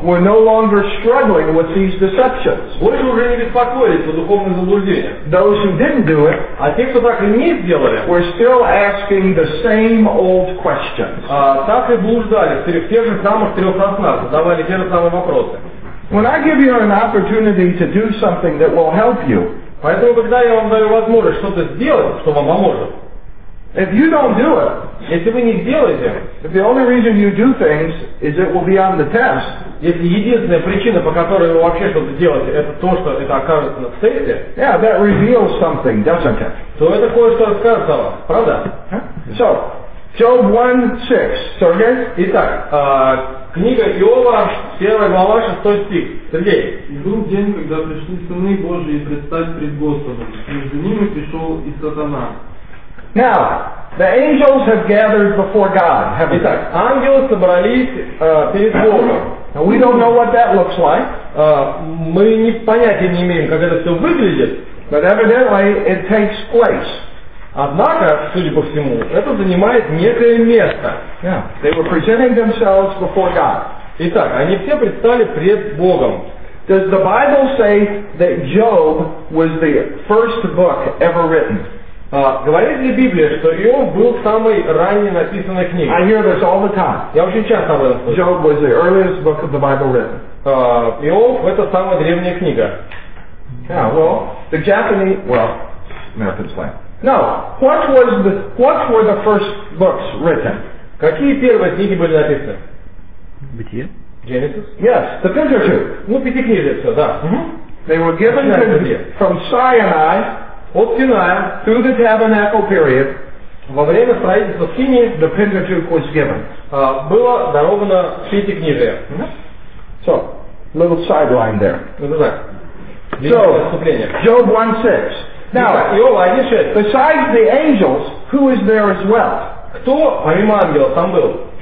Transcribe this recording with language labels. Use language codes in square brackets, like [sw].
[en] were no longer struggling with these deceptions. [ru] Больше уже не беспокоились о духовных заблуждениях. [en] Those who didn't do it, [ru] а те, кто так и не сделали, [en] were still asking the same old questions. [ru] Так и блуждали в тех же самых трех основах, задавали те же самые вопросы. [en] When I give you an opportunity to do something that will help you, [ru] поэтому когда я вам даю возможность что-то сделать, что вам поможет. [en] If you don't do it, [ru] если вы не сделаете, [en] if the only reason you do things is it will be on the test, [ru] если единственная причина, по которой вы вообще что-то делаете, это то, что это окажется на тесте, [en] yeah, that reveals something, doesn't it? [ru] То это кое-что расскажет вам, правда? [en] So, Job 1:6, Сергей? [ru] Итак, книга Иова, 1 глава, 6 стих. Сергей. И был день, когда пришли сыны Божии предстать пред Господом, между ними пришел и сатана. [en] Now, the angels have gathered before God, haven't they? [ru] Итак, ангелы собрались перед Богом. [en] Now, we don't know what that looks like. [ru] Мы не понятия не имеем, как это все выглядит. [en] But evidently, it takes place. [ru] Однако, судя по всему, это занимает некое место. [en] Yeah. They were presenting themselves before God. [ru] Итак, они все предстали пред Богом. [en] Does the Bible say that Job was the first book ever written? [ru] Говорит ли Библия, что Иов был самой ранней написанной книгой? [en] I hear this all the time. [ru] Я очень часто об этом слышу. [en] Job was the earliest book of the Bible written. [ru] Иов — это самая древняя книга. [en] Yeah, well, the Japanese... Well, American slang. No, what were the first books written? [ru] Какие первые книги были написаны? Бытие? [en] Genesis? Yes, the Pentateuch. [ru] Ну, Пятикнижие все, да. Mm-hmm. [en] They were given from Sinai... [ru] От Синая, [en] through the tabernacle period, [ru] во время строительства Скинии, [en] the Pentateuch was given. [ru] Было даровано Пятикнижие. [en] So, little sideline there. [ru] Это так. [en] Job 1:6. Now, [ru] Иова 1:6. [en] Besides the angels, who is there as well? [ru] Кто помимо ангелов там был?